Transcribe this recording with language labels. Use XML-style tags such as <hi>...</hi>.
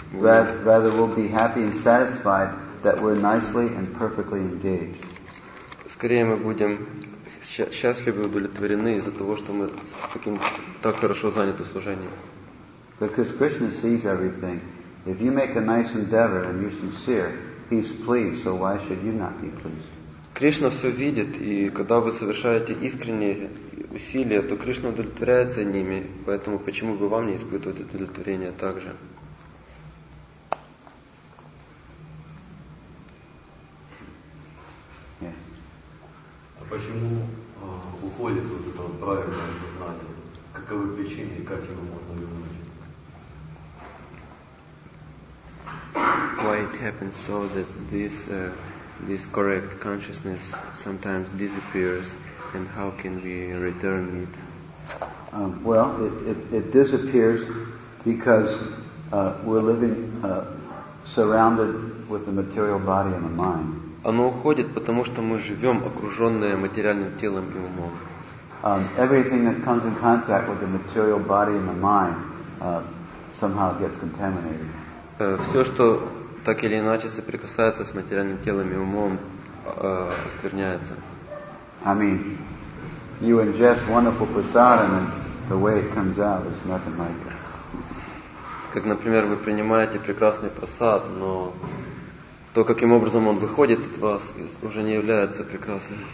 <en>Rather, we'll be happy and satisfied that we're nicely and perfectly engaged.</en> <ru>Скорее мы будем счастливы и удовлетворены из-за того, что мы так хорошо заняты служением.</ru> <en>Because Krishna sees everything. If you make a nice endeavor and you're sincere, He's pleased. So why should you not be pleased?</en> <ru>Кришна все видит, и когда вы совершаете искренние усилия, то Кришна удовлетворяется ними, поэтому почему бы вам не испытывать удовлетворение также? А почему уходит вот это вот правильное сознание? Каковы причины и как его можно вернуть?</ru> <en>Why it happens so that this this correct consciousness sometimes disappears, and how can we return it? Well, it disappears because we're living surrounded with the material body and the mind.</en> <ru>Оно уходит потому что мы живем окруженные материальным телом и умом.</ru> <en>Everything that comes in contact with the material body and the mind somehow gets contaminated.</en> <ru>Все что так или иначе соприкасается с материальным телом и умом, оскверняется.</ru> <en>I mean, you ingest wonderful prasadam and the way it comes out is nothing like it.</en> <ru>Как, например, вы принимаете прекрасный прасад, но то, каким образом он выходит от вас, уже не является прекрасным.</ru>